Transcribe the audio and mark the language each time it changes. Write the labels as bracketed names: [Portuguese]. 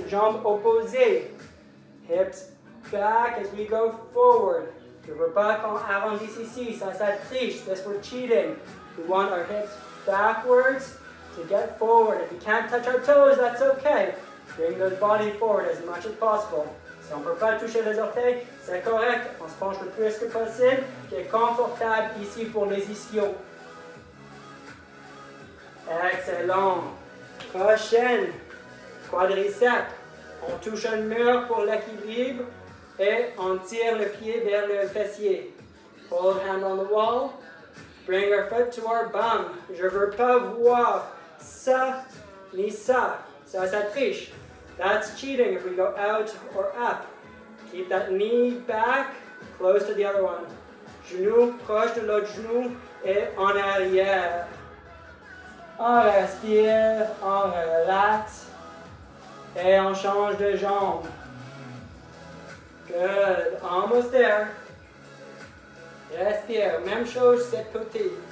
[French] Jambes opposées. [English] Hips back as we go forward. [French] Je veux pas qu'on arrondisse ici. Ça triche. [English] This we're cheating. We want our hips backwards to get forward. If you can't touch our toes, that's okay. Bring the body forward as much as possible. [French] Si on ne peut pas toucher les orteils, c'est correct. On se penche le plus que possible. C'est confortable ici pour les ischios. Excellent. Prochaine. Quadriceps. On touche un mur pour l'équilibre et on tire le pied vers le fessier. [English] Hold hand on the wall. Bring our foot to our bum. [French] Je veux pas voir ça ni ça. Ça, ça triche. [English] That's cheating if we go out or up. Keep that knee back, close to the other one. [French] Genou proche de l'autre genou et en arrière. On respire, on relate et on change de jambe. [English] Good, almost there. [French] Respire, même chose cette côté.